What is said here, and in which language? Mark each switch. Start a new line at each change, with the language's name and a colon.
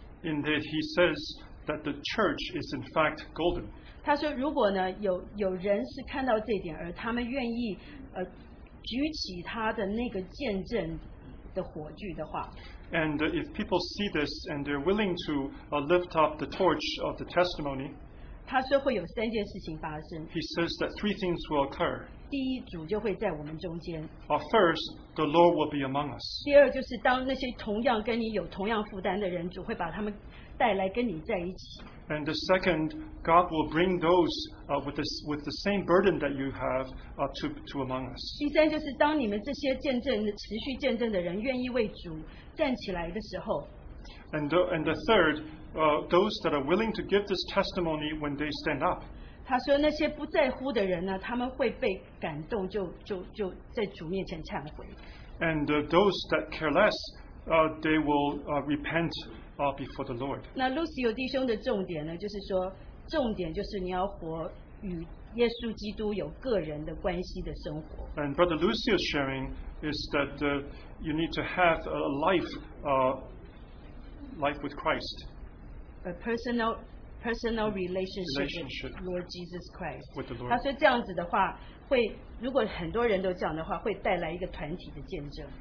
English: Indeed, he says that the church is in fact golden.
Chinese: 他说如果呢 有人是看到这点而他们愿意举起他的那个见证的火炬的话。
English: And if people see this and they're willing to lift up the torch of the testimony,
Chinese: 他说会有三件事情发生。
English: He says that three things will occur.
Chinese: 第一，主就会在我们中间。
English: First, the Lord will be among us.
Chinese: 第二，就是当那些同样跟你有同样负担的人，主会把他们带来跟你在一起。
English: And the second, God will bring those with the same burden that you have to among us.
Chinese: 第三，就是当你们这些见证的持续见证的人愿意为主站起来的时候。
English: And the third, those that are willing to give this testimony when they stand up.
Chinese: 他说那些不在乎的人呢，他们会被感动就在主面前忏悔。
English: And those that care less, they will repent before the Lord.
Chinese: 那 Lucio 弟兄的重点呢，就是说重点就是你要活与耶稣基督有个人的关系的生活。
English: And Brother Lucio's sharing is that you need to have a life, life with Christ. A personal relationship with Lord Jesus Christ. With the Lord.
Chinese: 他说这样子的话，会如果很多人都这样的话，会带来一个团体的见证。